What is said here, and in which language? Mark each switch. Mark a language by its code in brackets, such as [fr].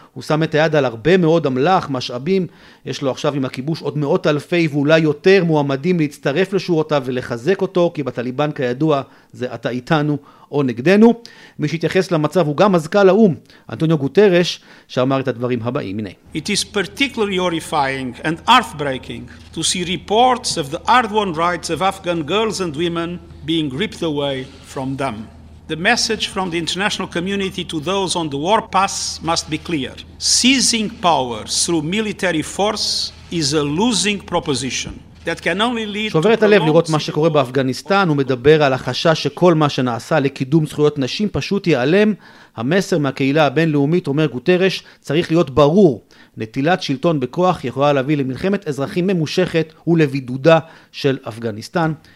[he] הוא שם את היד על הרבה מאוד אמל"ח, משאבים, יש לו עכשיו עם הכיבוש עוד מאות אלפי ואולי יותר מועמדים להצטרף לשורותיו ולחזק אותו, כי בטליבן כידוע זה אתה איתנו או נגדנו. מי שהתייחס למצב הוא גם מזכ"ל האום, אנטוניו גוטרש, שאמר את הדברים הבאים, הנה. [en] It is particularly horrifying and earth-breaking to see reports of the hard-won rights of Afghan girls and women being ripped away from them. The message from the international community to those on the war path must be clear. Seizing power through military force is a losing proposition. [he] שובר את הלב לראות מה שקורה באפגניסטן, הוא מדבר על החשש שכל מה שנעשה לקידום זכויות נשים פשוט ייעלם. המסר מהקהילה הבינלאומית, אומר גוטרש, צריך להיות ברור, נטילת שלטון בכוח יכולה להביא למלחמת אזרחים ממושכת ולבידודה של אפגניסטן.